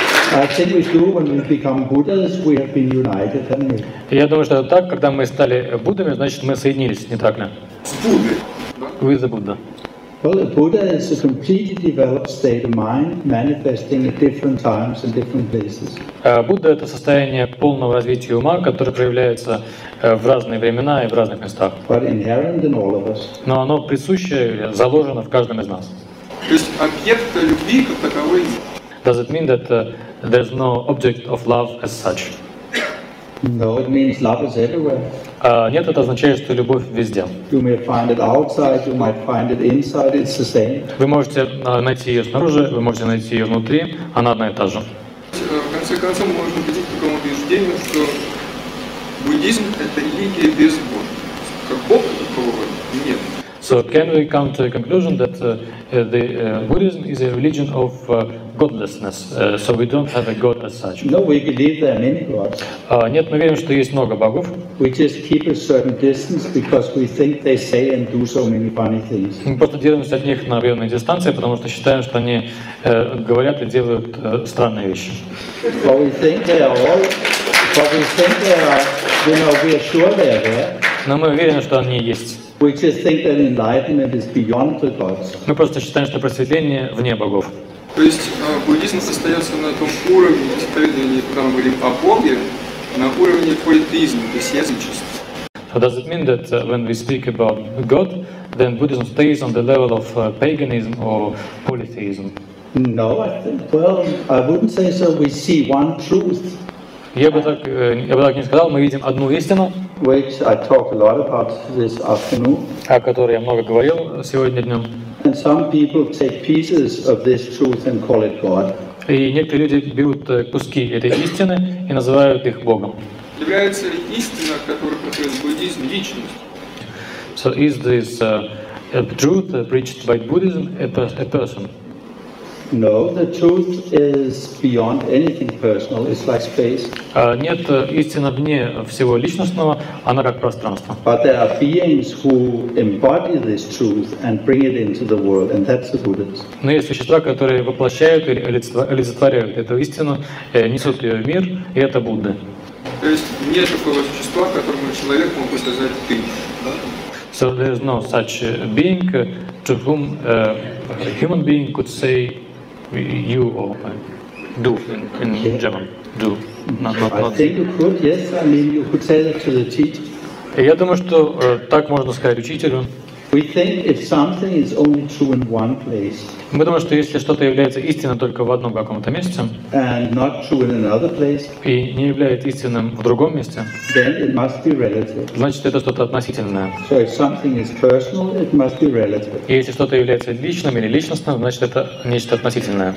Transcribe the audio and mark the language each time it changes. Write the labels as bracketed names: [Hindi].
[English] I think we do when we become Buddhas, we have been united, haven't we? [Russian] Я думаю, что так, когда мы стали Буддами, значит, мы соединились, не так ли? [English] With the Buddha. Well, the Buddha is a completely developed state of mind, manifesting at different times and different places. [Russian] Будда — это состояние полного развития ума, которое проявляется в разные времена и в разных местах. [English] But inherent in all of us. [Russian] Но оно присуще, заложено в каждом из нас. То есть объекта любви как таковой нет. [English] Does it mean that there's no object of love as such? No, it means love is everywhere. [Russian] Нет, это означает, что любовь везде. [English] You may find it outside, you might find it inside, it's the same. [Russian] Вы можете найти ее снаружи, вы можете найти ее внутри, она одна и та же. В конце концов, мы можем прийти к такому убеждению, что буддизм — это религия без Бога. Как Бог такого нет. [English] So can we come to a conclusion that Buddhism is a religion of godlessness? So we don't have a god as such. No, we believe there are many gods. [Russian] Нет, мы верим, что есть много богов. [English] We just keep a certain distance because we think they say and do so many funny things. [Russian] Мы просто держимся от них на определенной дистанции, потому что считаем, что они говорят и делают странные вещи. [English] But we think they are all. But we think they are. You know, we are sure they are there. [Russian] Но мы уверены, что они есть. [English] We just think that enlightenment is beyond the gods. [Russian] Мы просто считаем, что просветление вне богов. То есть буддизм состоялся на том уровне, когда мы говорим о Боге, на уровне политеизма, то есть язычества. [English] So does it mean that when we speak about God, then Buddhism stays on the level of paganism or polytheism? No, I wouldn't say so. We see one truth. [Russian] Я бы так не сказал, мы видим одну истину, [English] which I talked a lot about this afternoon, [Russian] о которой я много говорил сегодня днем. [English] And some people take pieces of this truth and call it God. [Russian] И некоторые люди берут куски этой истины и называют их Богом. Является ли истина, которую преподает буддизм, личность? [English] So is this truth preached by Buddhism a person? No, the truth is beyond anything personal. It's like space. [Russian] Нет, истина вне всего личностного, она как пространство. [English] But there are beings who embody this truth and bring it into the world, and that's the Buddha. [Russian] Но есть существа, которые воплощают или олицетворяют эту истину, несут ее в мир, и это Будда. То есть нет такого существа, которому человек мог бы сказать ты. [English] So there is no such being to whom a human being could say you or do in German. Do. Not. I think you could, yes. I mean, you could say that to the teacher. [Russian] Я думаю, что так можно сказать учителю. [English] We think if something is only true in one place. [Russian] Мы думаем, что если что-то является истинным только в одном каком-то месте. [English] And not true in another place. [Russian] И не является истинным в другом месте. [English] Then it must be relative. [Russian] Значит, это что-то относительное. [English] So if something is personal, it must be relative. [Russian] И если что-то является личным или личностным, значит, это нечто относительное.